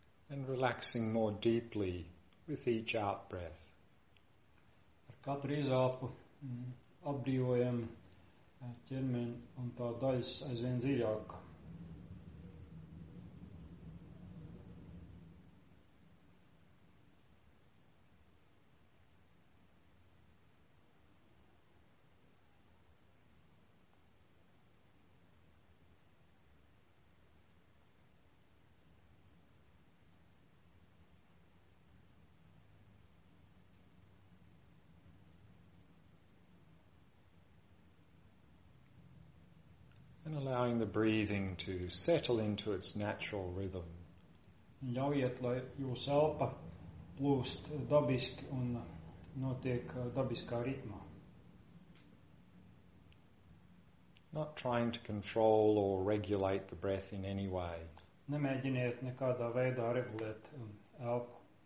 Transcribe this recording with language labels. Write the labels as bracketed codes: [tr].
[en] And relaxing more deeply with each out breath. [lv] Ar katru izelpu atbrīvojam ķermeni un tā daļas aizvien dziļāk. [en] breathing to settle into its natural rhythm. [lv] Ļaujiet, lai jūs elpa plūst dabiski un notiek dabiskā ritmā. [en] Not trying to control or regulate the breath in any way. [lv] Nemēģiniet nekādā veidā regulēt elpu.